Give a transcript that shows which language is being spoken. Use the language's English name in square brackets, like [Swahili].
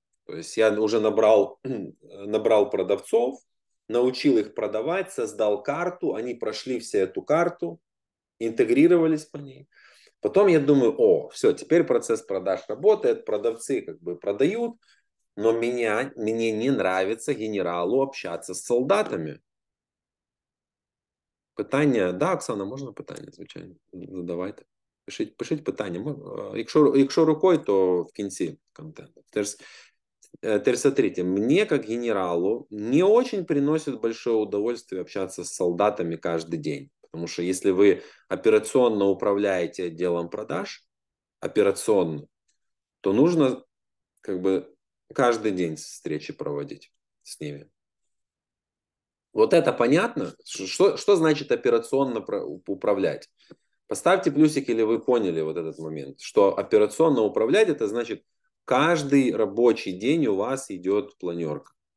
[Russian] То есть я уже набрал продавцов, научил их продавать, создал карту, они прошли все эту карту, интегрировались по ней. Потом я думаю, о, все, теперь процесс продаж работает, продавцы как бы продают, но мне не нравится генералу общаться с солдатами. [Ukrainian] Питання, да, Оксана, можна питання, звичайно, задавайте. Пишіть питання. Якщо рукою, то в кінці контенту. Терса третя. Мені, як генералу, не дуже приносить велике удовольствие общатися з солдатами кожен день. Тому що якщо ви операційно управляєте відділом продаж, операційно, то потрібно как бы, кожен день зустрічі проводити з ними. [Russian] Вот это понятно? Что значит операционно управлять? Поставьте плюсик, или вы поняли вот этот момент, что операционно управлять, это значит, каждый рабочий день у вас идет планерка.